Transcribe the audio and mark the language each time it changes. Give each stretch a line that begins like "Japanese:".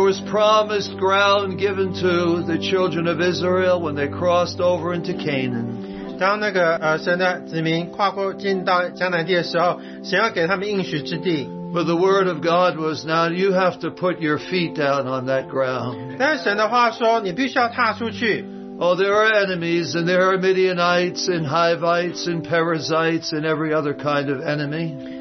English: Promised ground given to the children of Israel when they crossed over into Canaan.
Chinese: 当那个神的子民跨过进到迦南地的时候，神要给他们应许之地。
English: But the word of God was, now you have to put your feet down on that ground.
Chinese: 但神的话说，你必须要踏出去。
English: Oh, there are enemies, and there are Midianites, and Hivites, and Perizzites, and every other kind of enemy.